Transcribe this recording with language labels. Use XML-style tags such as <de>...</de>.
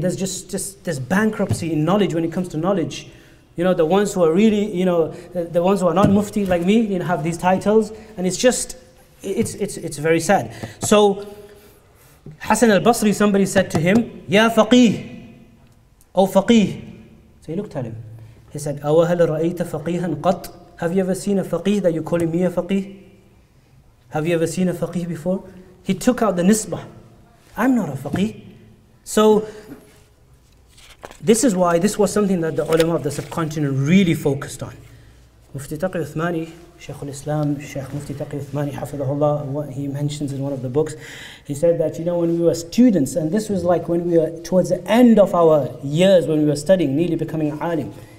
<en>There's just this bankruptcy in knowledge when it comes to knowledge. You know, the ones who are really, you know, the ones who are not Mufti like me, you know, have these titles. And it's just, it's very sad. So, Hassan al-Basri, somebody said to him, Ya Faqih, O Faqih. So he looked at him. He said,</en> <ar>أَوَهَلَ رَأَيْتَ فَقِيهًا قَطْ.</ar> <en>Have you ever seen a faqih that you're calling me a faqih? Have you ever seen a faqih before? He took out the nisbah. I'm not a faqih. So, this is why this was something that the ulama of the subcontinent really focused on. Mufti Taqi Uthmani, Shaykh al-Islam, Shaykh Mufti Taqi Uthmani, Hafidhahullah, what he mentions in one of the books, he said that, you know, when we were students, and this was like when we were towards the end of our years when we were studying, nearly becoming alim.</en>